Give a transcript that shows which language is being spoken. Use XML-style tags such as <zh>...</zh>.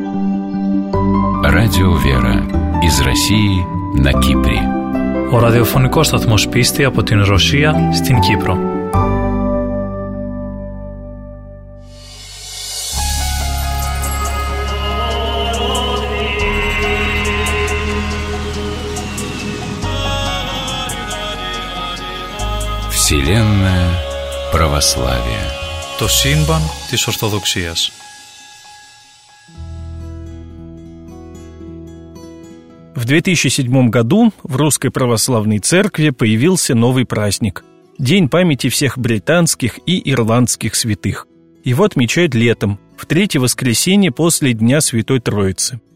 <ru>Радио Вера из России на Кипре.</ru> <el>Ο ραδιοφωνικός σταθμός πίστη από την Ρωσία στην Κύπρο.</el> <ru>Вселенная православия.</ru> <el>Το σύμπαν της Ορθοδοξίας.</el> <ru>В 2007 году в Русской Православной Церкви появился новый праздник – День памяти всех британских и ирландских святых. Его отмечают летом, в третье воскресенье после Дня Святой Троицы.</ru>